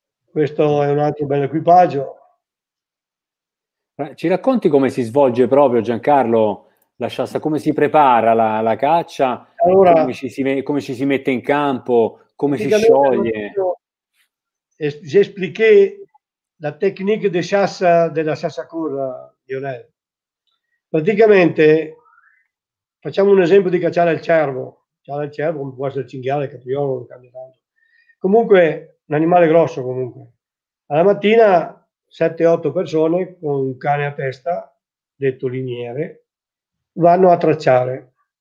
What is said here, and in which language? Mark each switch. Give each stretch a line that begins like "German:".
Italian: Questo è un altro bel equipaggio. Ci racconti come si svolge proprio, Giancarlo, la chassa, come si prepara la caccia, allora, come ci si mette in campo, come si scioglie?
French: Vi expliqué la technique de chasse de la chasse à courre, Lionel.
Italian: Praticamente, facciamo un esempio di cacciare il cervo. Cacciare il cervo, come può essere il cinghiale, il capriolo, il candidato. Comunque, un animale grosso, comunque. Alla mattina, 7-8 persone con un cane a testa, detto liniere, vanno a tracciare.